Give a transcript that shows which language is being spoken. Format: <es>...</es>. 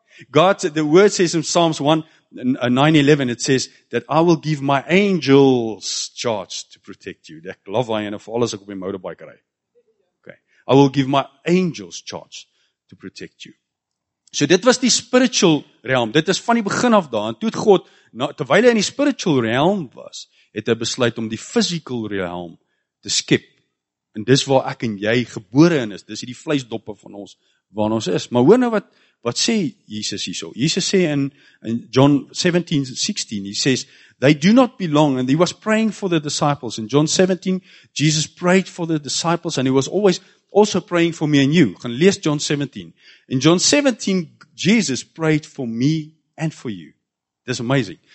<en>God, the word says in Psalms 9:11, it says that I will give my angels charge to protect you.</en> <af>Ek love hy en of alles ek op my motorbike ry.</af> <en>Okay. I will give my angels charge to protect you.</en> <af>So dit was die spiritual realm. Dit is van die begin af daar. En toe het God, terwyl hy in die spiritual realm was, het hy besluit om die physical realm te skep. En dis waar ek en jy gebore in is. Dis hierdie vleisdoppe van ons waar ons is. Maar hoor nou wat sê Jesus hierso.</af> <en>Jesus</en> <af>sê in</af> <en>John 17:16, he says, they do not belong, and he was praying for the disciples. In John 17, Jesus prayed for the disciples, and he was always also praying for me and you.</en> <af>Gaan lees John 17.</af> <en>In John 17, Jesus prayed for me and for you. That's amazing.</en>